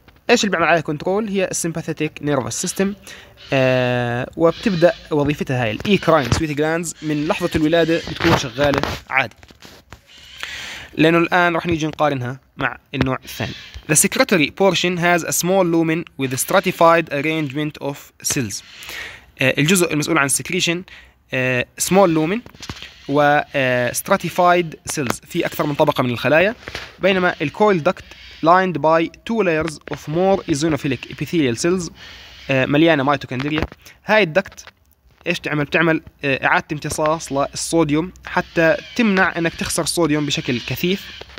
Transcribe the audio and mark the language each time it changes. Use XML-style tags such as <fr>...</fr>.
<ar>ايش اللي بيعمل عليها كنترول؟ هي السيمباثيتك نيرفس سيستم. وبتبدا وظيفتها هاي الايكراين سويت جلاندز من لحظه الولاده بتكون شغاله عادي، لانه الان راح نيجي نقارنها مع النوع الثاني.</ar> <en>The secretory portion has a small lumen with a stratified arrangement of cells.</en> <ar>الجزء المسؤول عن السكريشن small lumen و stratified cells، في أكثر من طبقة من الخلايا، بينما ال</ar> <en>coil duct lined by two layers of more eosinophilic epithelial cells،</en> <ar>مليانة ميتوكوندريا. هاي الدكت إيش تعمل؟ بتعمل إعادة امتصاص للصوديوم حتى تمنع أنك تخسر الصوديوم بشكل كثيف.</ar>